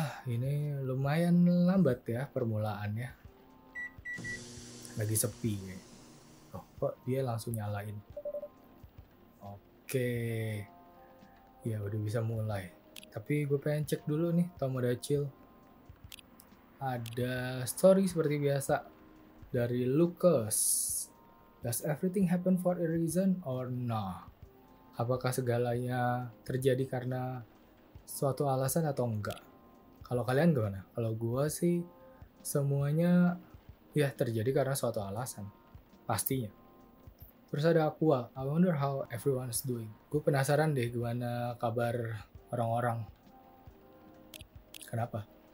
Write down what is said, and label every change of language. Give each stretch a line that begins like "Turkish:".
Indonesian: Ini lumayan lambat ya permulaannya. Lagi sepi ya. Oh, kok dia langsung nyalain. Oke, ya udah bisa mulai. Tapi gue pengen cek dulu nih, Tomodachil. Ada story seperti biasa dari Lucas.
English: Does everything happen for a reason or not?
Indonesian: Apakah segalanya terjadi karena suatu alasan atau enggak? Kalau kalian gimana? Kalau gue sih semuanya ya terjadi karena suatu alasan, pastinya. Terus ada Aqua,
English: I wonder how everyone's doing.
Indonesian: Gue penasaran deh gimana kabar orang-orang. Kenapa?